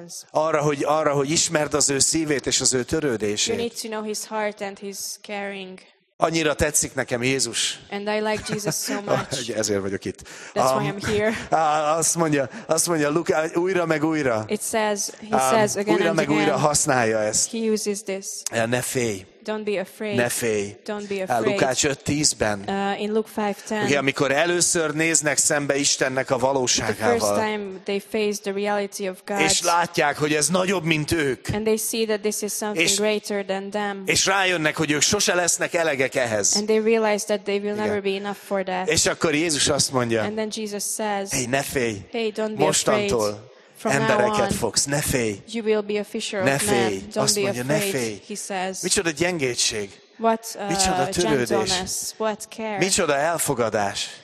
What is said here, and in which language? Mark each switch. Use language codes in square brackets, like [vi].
[hu] Arra, hogy ismerd az ő szívét és az ő törődését. [en] You need to know his heart and his caring. [hu] Annyira tetszik nekem Jézus. [en] And I like Jesus so much. [hu] Ezért vagyok itt. [en] That's why I'm here. [hu] Azt mondja, Luke, újra meg újra. [en] It says, he says again [hu] újra [en] and [hu] meg [en] again, [hu] újra használja ezt. [en] He uses this. [hu] Ne félj. [en] Don't be afraid. [hu] Ne félj. [en] Don't be afraid. [hu] Lukács 5:10-ben. [en] In Luke 5:10. [hu] Ugye, amikor először néznek szembe Istennek a valóságával. [en] The first time they face the reality of God. [hu] És látják, hogy ez nagyobb, mint ők. [en] And they see that this is something greater than them. [hu] És rájönnek, hogy ők sose lesznek elegek ehhez. [en] And they realize that they will never be enough for that. [hu] És akkor Jézus azt mondja. [en] And then Jesus says. [hu] Hey, ne félj. [en] Hey, don't be [hu] mostantól. [en] Afraid. [hu] Embereket fogsz, ne félj. [en] You will be a fisher of men. [hu] Ne félj. Azt mondja, [en] afraid, [hu] ne félj. [en] He says. [hu] Micsoda gyengédség. [en] What, [hu] micsoda törődés. [en] What care. [hu] Micsoda elfogadás.